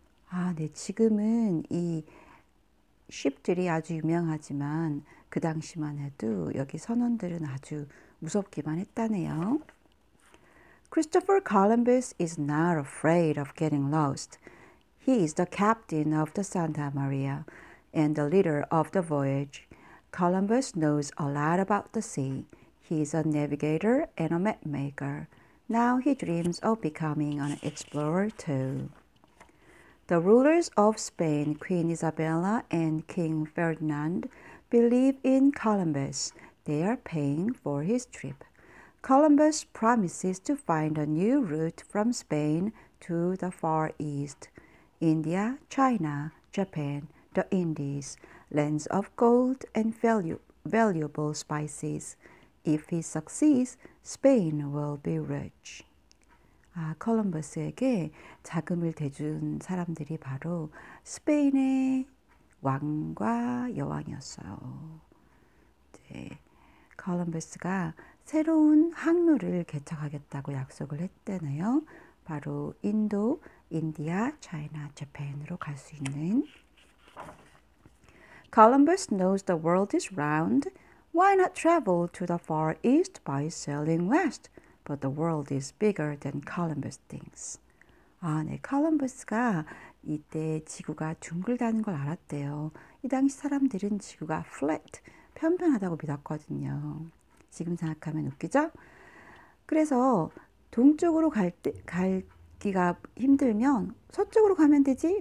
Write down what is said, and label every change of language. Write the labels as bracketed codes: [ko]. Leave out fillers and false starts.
[ko] 아, 네, 지금은 이 ship들이 아주 유명하지만 그 당시만 해도 여기 선원들은 아주 무섭기만 했다네요. [en] Christopher Columbus is not afraid of getting lost. He is the captain of the Santa Maria and the leader of the voyage. Columbus knows a lot about the sea. He is a navigator and a map maker. Now he dreams of becoming an explorer too. The rulers of Spain, Queen Isabella and King Ferdinand, believe in Columbus. They are paying for his trip. Columbus promises to find a new route from Spain to the Far East. India, China, Japan, the Indies, lands of gold and valuable spices. If he succeeds, Spain will be rich. [ko] 아, 콜럼버스에게 자금을 대준 사람들이 바로 스페인의 왕과 여왕이었어요. 콜럼버스가 새로운 항로를 개척하겠다고 약속을 했대네요. 바로 인도, 인디아, 차이나, 재팬으로 갈 수 있는. [en] Columbus knows the world is round. Why not travel to the far east by sailing west? But the world is bigger than Columbus thinks. [ko] 아, 네. 콜럼버스가 이때 지구가 둥글다는 걸 알았대요. 이 당시 사람들은 지구가 flat, 평평하다고 믿었거든요. 지금 생각하면 웃기죠? 그래서 동쪽으로 갈기가 힘들면 서쪽으로 가면 되지?